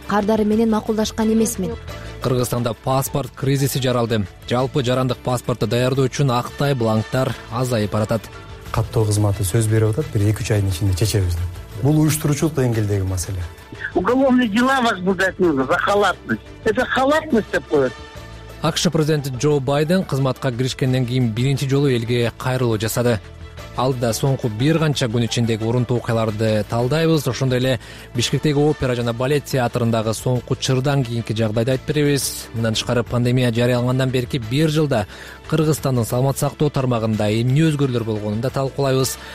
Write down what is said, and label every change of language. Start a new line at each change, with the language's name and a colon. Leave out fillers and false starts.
Kyrgyz: Кардары менен макулдашкан эмесмин. Кыргызстанда паспорт кризиси жаралды. Жалпы жарандык паспортту даярдоо үчүн актай бланктар азайып баратат. Каттоо кызматы сөз берип атат, бир 2-3 айдын ичинде чечебиз. Бул уюштуруучулук деңгээлдеги маселе.
Russian: Уголовный дела возбуждать нужно за халатность. Это халатность
Kyrgyz: деп коёт. АКШ президенти Джо Байден кызматка киришкенден кийин биринчи жолу элге кайрылуу жасады. Алдыда соңку бир канча күн ичиндеги урунтуу окуяларды талдайбыз. Ошондой эле Бишкектеги опера жана балет театрындагы соңку чырдан кийинки жагдайды айтып беребиз. Мындан тышкары пандемия жарыялангандан берки бир жылда Кыргызстандын саламат сактоо тармагында эмне өзгөрүүлөр болгонун да талкуулайбыз.